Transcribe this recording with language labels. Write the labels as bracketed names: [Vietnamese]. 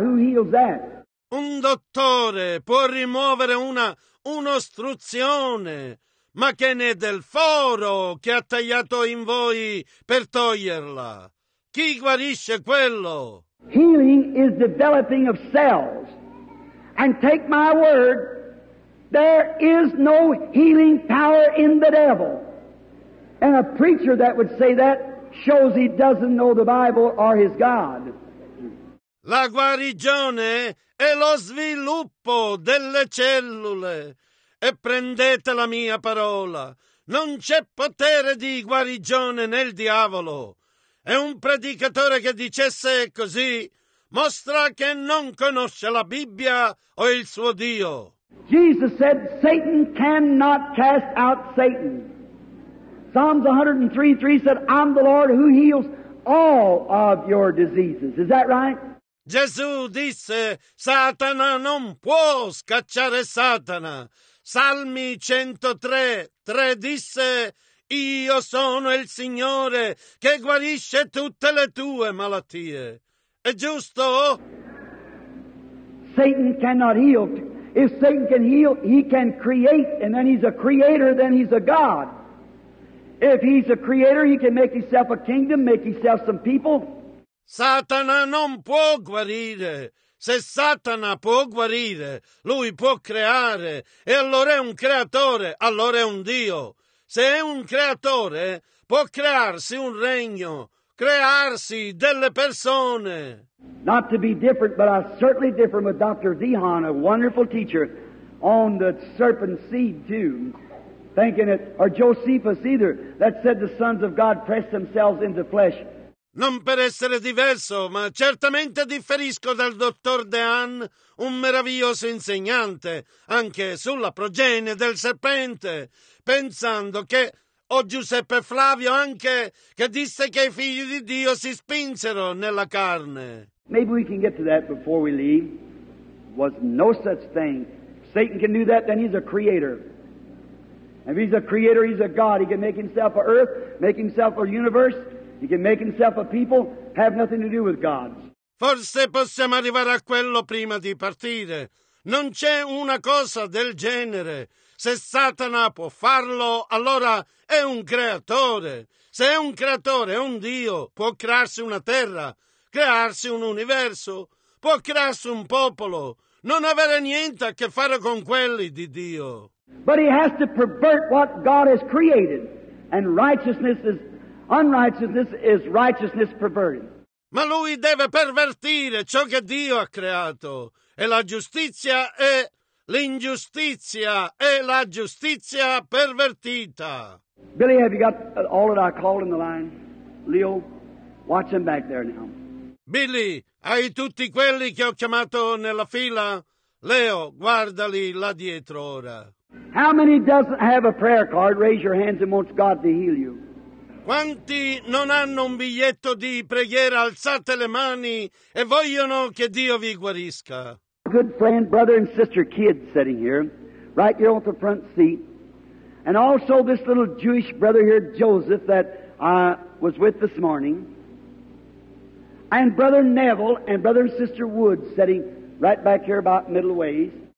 [English] Who heals that? [Italian] Un dottore può rimuovere un'ostruzione, ma che ne è del foro che ha tagliato in voi per toglierla? Chi guarisce quello? [English] Healing is developing of cells. And take my word, there is no healing power in the devil. And a preacher that would say that shows he doesn't know the Bible or his God. [Italian] La guarigione è lo sviluppo delle cellule. E prendete la mia parola. Non c'è potere di guarigione nel diavolo. E un predicatore che dicesse così mostra che non conosce la Bibbia o il suo Dio. [English] Jesus said Satan cannot cast out Satan. Psalms 103:3 said, I'm the Lord who heals all of your diseases. Is that right? [Italian] Gesù disse, Satana non può scacciare Satana. Salmi 103:3 disse, Io sono il Signore che guarisce tutte le tue malattie. È giusto? [English] Satan cannot heal. If Satan can heal, he can create, and then he's a creator, then he's a God. If he's a creator, he can make himself a kingdom, make himself some people. [Italian] Satana non può guarire. Se Satana può guarire, lui può creare. E allora è un creatore, allora è un Dio. Se è un creatore, può crearsi un regno, crearsi delle persone. [English] Not to be different, but I certainly differ with Dr. Zeehan, a wonderful teacher, on the serpent seed too. Thinking it, or Josephus either, that said the sons of God press themselves into flesh. [Italian] Non per essere diverso, ma certamente differisco dal dottor Dehan, un meraviglioso insegnante, anche sulla progenie del serpente, pensando che, o Giuseppe Flavio anche, che disse che i figli di Dio si spinsero nella carne. [English] Maybe we can get to that before we leave. Was no such thing. Satan can do that, then he's a creator. If he's a creator, he's a God. He can make himself an earth, make himself a universe. He can make himself a people. Have nothing to do with God. [Italian] Forse possiamo arrivare a quello prima di partire. Non c'è una cosa del genere. Se Satana può farlo, allora è un creatore. Se è un creatore, è un Dio. Può crearsi una terra, crearsi un universo. Può crearsi un popolo. Non avere niente a che fare con quelli di Dio. [English] But he has to pervert what God has created, and righteousness is unrighteousness is righteousness perverted. [Italian] Ma lui deve pervertire ciò che Dio ha creato, e la giustizia è l'ingiustizia, e la giustizia pervertita. [English] Billy, have you got all that I called in the line? Leo, watch him back there now. [Italian] Billy, hai tutti quelli che ho chiamato nella fila? Leo, guardali là dietro ora. [English] How many doesn't have a prayer card? Raise your hands and wants God to heal you. [Italian] Quanti non hanno un biglietto di preghiera? Alzate le mani e vogliono che Dio vi guarisca. [English] Good friend, brother and sister kid sitting here, right here on the front seat. And also this little Jewish brother here, Joseph, that I was with this morning. And brother Neville and brother and sister Wood sitting right back here about middle ways.